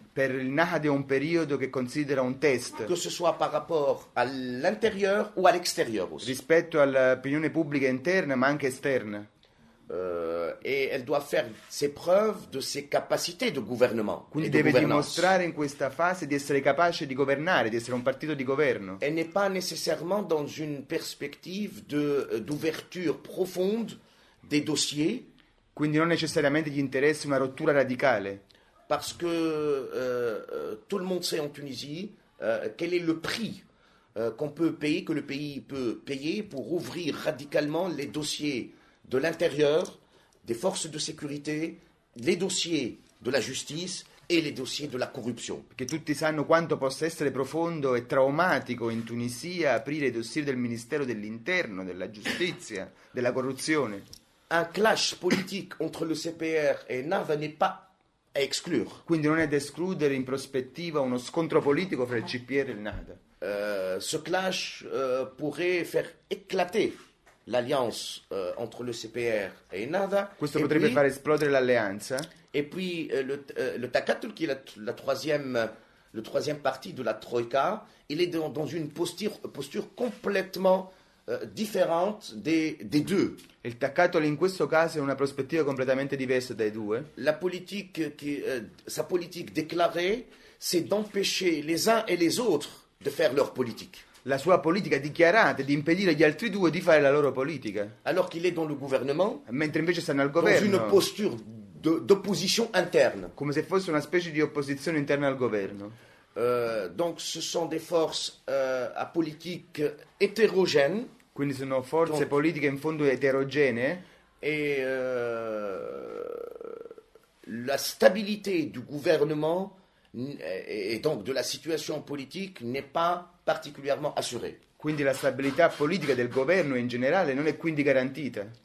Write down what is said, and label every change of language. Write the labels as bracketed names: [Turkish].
[Italian] Per il Nada è un periodo che considera un test. [French] Que ce soit par rapport à l'intérieur ou à l'extérieur aussi. [Italian] Rispetto all'opinione pubblica interna ma anche esterna. [French] Et elle doit faire ses preuves de ses capacités de gouvernement. [Italian] Quindi [French] et [Italian] deve dimostrare in questa fase di essere capace di governare, di essere un partito di governo. [French] Elle n'est pas nécessairement dans une perspective de d'ouverture profonde des dossiers. [Italian] Quindi non necessariamente gli interessa una rottura radicale. [French] Parce que tout le monde sait en Tunisie quel est le prix qu'on peut payer, que le pays peut payer pour ouvrir radicalement les dossiers de l'intérieur, des forces de sécurité, les dossiers de la justice et les dossiers de la corruption. [Italian] Perché tutti sanno quanto possa essere profondo e traumatico in Tunisia aprire i dossier del Ministero dell'Interno, della giustizia, della corruzione. [French] Un clash politique entre le CPR et NAV n'est pas à exclure. [Italian] Quindi non è da escludere in prospettiva uno scontro politico fra il CPR e il NAV. [French] Ce clash pourrait faire éclater l'alliance entre le CPR et NADA. [Italian] Questo et potrebbe far esplodere l'alleanza. [French] Et puis le Takatul, qui est le troisième parti de la Troïka, il est dans une posture complètement différente des deux. [Italian] Il Takatul in questo caso è una prospettiva completamente diversa dai due. [French] La politique qui sa politique déclarée, c'est d'empêcher les uns et les autres de faire leur politique. [Italian] La sua politica dichiarata di impedire agli altri due di fare la loro politica. [French] Alors qu'il est dans le gouvernement, [Italian] mentre invece stanno al governo. [French] Dans une posture d'opposition interne. [Italian] Come se fosse una specie di opposizione interna al governo. [French] Donc ce sont des forces à politique hétérogènes. [Italian] Quindi sono forze donc, politiche in fondo eterogenee. [French] Et la stabilité du gouvernement et donc de la situation politique n'est pas particulièrement assurée. [Italian] Quindi la stabilità politica del governo in generale non è quindi garantita.